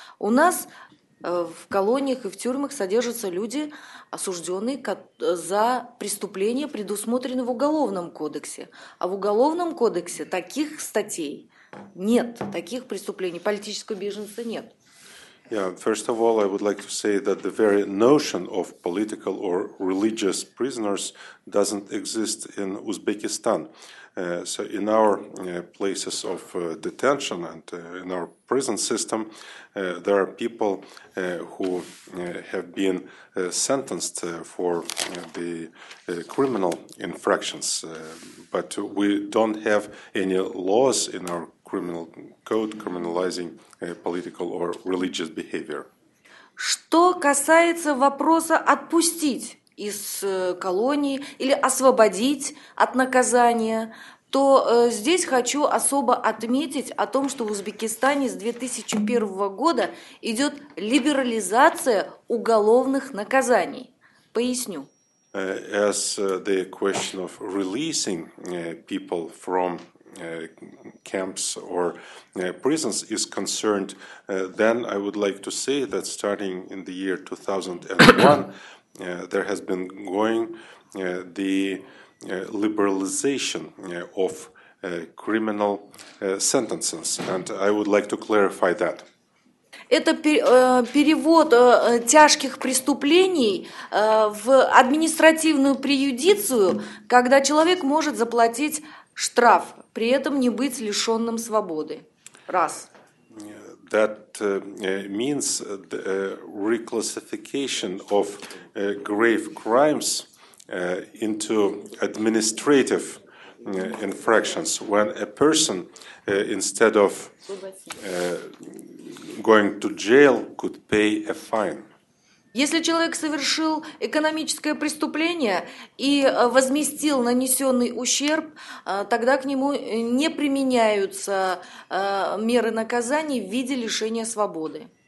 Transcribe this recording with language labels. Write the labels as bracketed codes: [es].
[ru] У нас в колониях и в тюрьмах содержатся люди, осужденные за преступления, предусмотренные в Уголовном кодексе. А в Уголовном кодексе таких статей нет, таких преступлений, политического беженца нет. [en] Yeah, first of all, I would like to say that the very notion of political or religious prisoners doesn't exist in Uzbekistan. So in our places of detention and in our prison system, there are people who have been sentenced for the criminal infractions, but we don't have any laws in our criminal code criminalizing political or religious behavior. [ru] Что касается вопроса отпустить из колонии или освободить от наказания, то здесь хочу особо отметить о том, что в Узбекистане с 2001 года идет либерализация уголовных наказаний. Поясню. [en] As the question of releasing people from camps or prisons is concerned, then I would like to say that starting in the year 2001, there has been going the liberalization of criminal sentences, and I would like to clarify that. [ru] Это перевод тяжких преступлений в административную преюдицию, когда человек может заплатить штраф, при этом не быть лишенным свободы. Раз. [en] That means the reclassification of grave crimes into administrative infractions. When a person, instead of going to jail, could pay a fine. [ru] Если человек совершил экономическое преступление и возместил нанесенный ущерб, тогда к нему не применяются меры наказания в виде лишения свободы.